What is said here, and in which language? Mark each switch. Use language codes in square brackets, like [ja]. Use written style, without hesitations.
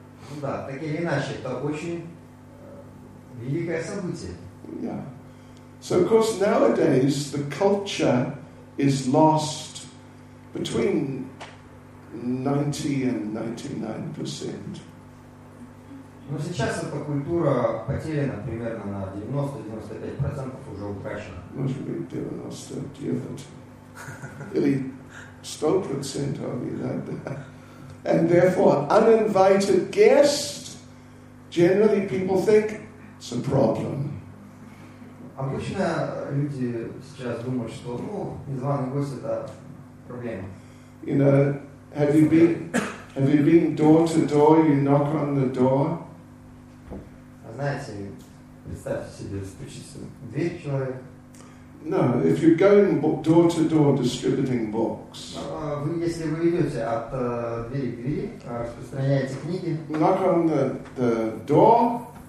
[ru] Ну да, так или иначе, это очень великое событие. [en] Yeah. So of course nowadays the culture is lost between 90% and 99%. [ru] Но сейчас эта культура потеряна примерно на 90-95% уже утрачена. Может быть 99% или 100% [en] of it. And therefore uninvited guest, generally people think it's a problem. [ru] Обычно люди сейчас думают, что, ну, незваный гость — это проблема. [en] You know, have you been door to door? You knock on the door. [ru] Знаете, представьте себе, стучится в дверь человек. [en] No, if you're going door to door distributing books, [ru] если вы идете от двери к двери, распространяете книги, [en] knock on the door,